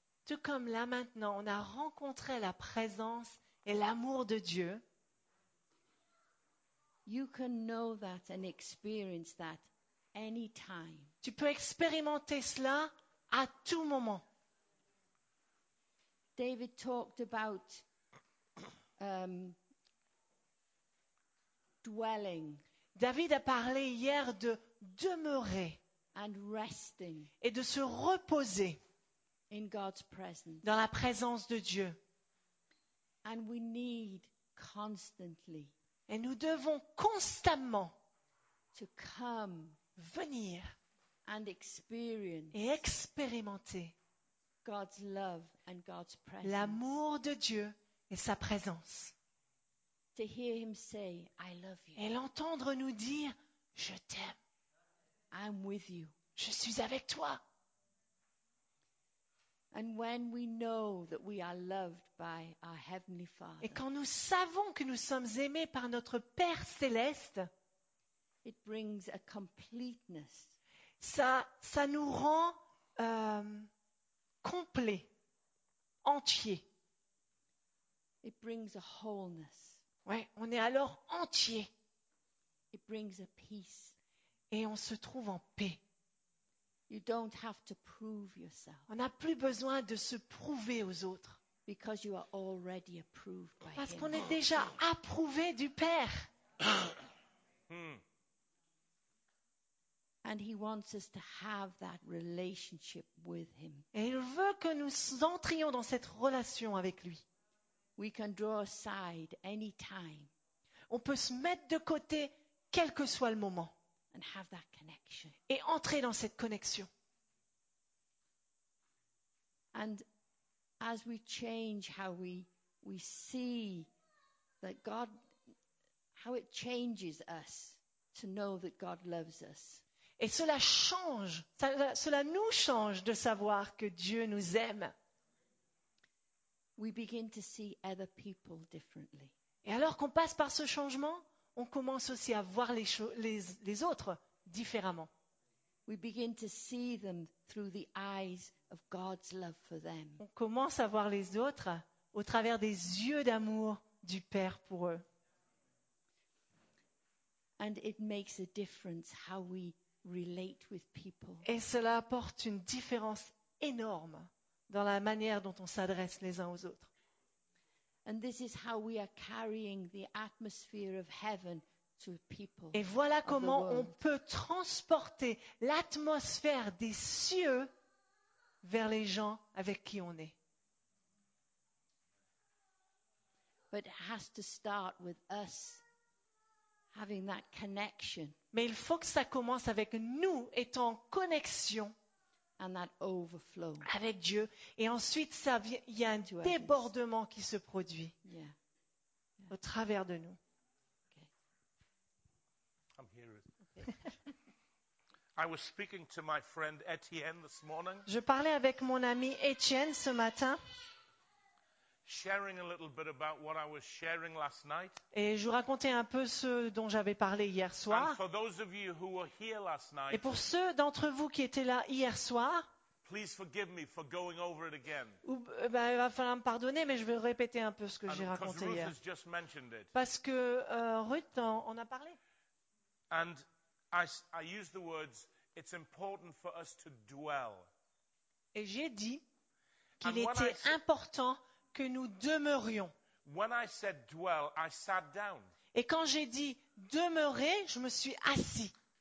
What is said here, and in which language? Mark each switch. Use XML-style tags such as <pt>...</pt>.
<fr>Tout comme là maintenant, on a rencontré la présence et l'amour de Dieu.</fr> <en>You can know that and experience that anytime.</en> <fr>Tu peux expérimenter cela à tout moment.</fr> <en>David talked about dwelling.</en> <fr>David a parlé hier de demeurer</fr> <en>and resting.</en> <fr>Et de se reposer.</fr> <en>In God's presence.</en> <fr>Dans la présence de Dieu.</fr> <en>And we need constantly.</en> <fr>Et nous devons constamment.</fr> <en>To come.</en> <fr>Venir.</fr> <en>And experience.</en> <fr>Et expérimenter.</fr> <en>God's love and God's presence.</en> <fr>L'amour de Dieu et sa présence.</fr> <en>To hear Him say, I love you.</en> <fr>Et l'entendre nous dire, je t'aime.</fr> <en>I'm with you.</en> <fr>Je suis avec toi.</fr> <en>And when we know that we are loved by our Heavenly Father,</en> <fr>et quand nous savons que nous sommes aimés par notre Père céleste,</fr> <en>it brings a completeness.</en> <fr>Ça nous rend complet, entier.</fr> <en>It brings a wholeness.</en> <fr>Ouais, on est alors entier.</fr> <en>It brings a peace.</en> <fr>Et on se trouve en paix.</fr> <en>You don't have to prove yourself.</en> <fr>On n'a plus besoin de se prouver aux autres.</fr> <en>Because you are already approved by</en> <fr>Parce</fr> <en>him.</en> <fr>Qu'on est déjà approuvé du Père.</fr> <en>And he wants us to have that relationship with him.</en> <fr>Et il veut que nous entrions dans cette relation avec lui.</fr> <en>We can draw aside anytime.</en> <fr>On peut se mettre de côté quel que soit le moment.</fr> <en>And have that connection.</en> <fr>Et entrer dans cette connexion.</fr> <en>And as we change how we see that God, how it changes us to know that God loves us.</en> <fr>Et cela change, cela nous change de savoir que Dieu nous aime.</fr> <en>We begin to see other people differently.</en> <fr>Et alors qu'on passe par ce changement, on commence aussi à voir les autres différemment.</fr> <en>We begin to see them through the eyes of God's love for them.</en> <fr>On commence à voir les autres au travers des yeux d'amour du Père pour eux.</fr> <en>And it makes a difference how we relate with people.</en> <fr>Et cela apporte une différence énorme dans la manière dont on s'adresse les uns aux autres.</fr> <en>And this is how we are carrying the atmosphere of heaven to people.</en> <fr>Et voilà comment on peut transporter l'atmosphère des cieux vers les gens avec qui on est.</fr> <en>But it has to start with us having that connection.</en> <fr>Mais il faut que ça commence avec nous étant en connexion</fr> <en>and that overflow</en> <fr>avec Dieu. Et ensuite, ça vient, il y a un débordement qui se produit au travers de nous.</fr> <en>Okay. I'm here. I was speaking to my friend Etienne this morning.</en> <fr>Je parlais avec mon ami Etienne ce matin.</fr> <en>Sharing a little bit about what I was sharing last night.</en> <fr>Et je vous racontais un peu ce dont j'avais parlé hier soir.</fr> <en>And for those of you who were here last night,</en> <fr>et pour ceux d'entre vous qui étaient là hier soir,</fr> <en>please forgive me for going over it again.</en> <fr>Il va falloir me pardonner, mais je vais répéter un peu ce que j'ai raconté</fr> <en>Ruth</en> <fr>hier.</fr> <en>Has just mentioned it.</en> <fr>Parce que Ruth en a parlé.</fr> <en>And I use the words, it's important for us to dwell.</en> <fr>Et j'ai dit qu'il était important que nous demeurions.</fr> <en>When I said dwell, I sat down.</en> <fr>Et quand j'ai dit demeurer, je me suis assis.</fr>